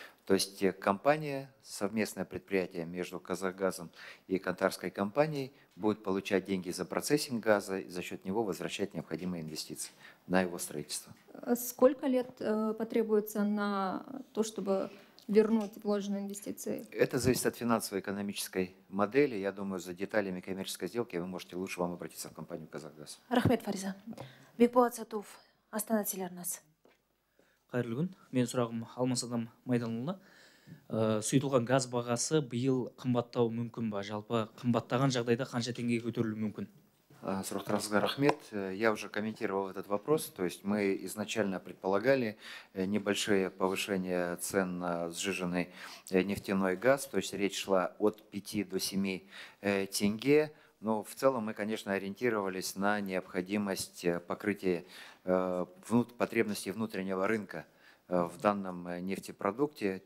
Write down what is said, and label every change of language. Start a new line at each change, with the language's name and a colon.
Russian: То есть компания, совместное предприятие между Казахгазом и Катарской компанией будет получать деньги за процессинг газа и за счет него возвращать необходимые инвестиции на его строительство. Сколько лет потребуется на то, чтобы вернуть вложенные инвестиции? Это зависит от финансово-экономической модели. Я думаю, за деталями коммерческой сделки вы можете лучше вам обратиться в компанию Казахгаз.
Kazakh: Рахмет Фариза. Бекболат Сатуф, Астана Телеарнасы. Қайырлы күн. Мен сұрағым Алмас Адам Майданұлына. Сұйытылған газ бағасы биыл қымбаттауы мүмкін ба? Жалпы қымбаттаған жағдайда қанша теңгеге көтерілуі мүмкін? Сұрақтарыңызға рахмет.
Russian: Я уже комментировал этот вопрос. То есть мы изначально предполагали небольшое повышение цен на сжиженный нефтяной газ. То есть речь шла от 5 до 7 тенге. Но в целом мы, конечно, ориентировались на необходимость покрытия потребности внутреннего рынка в данном нефтепродукте.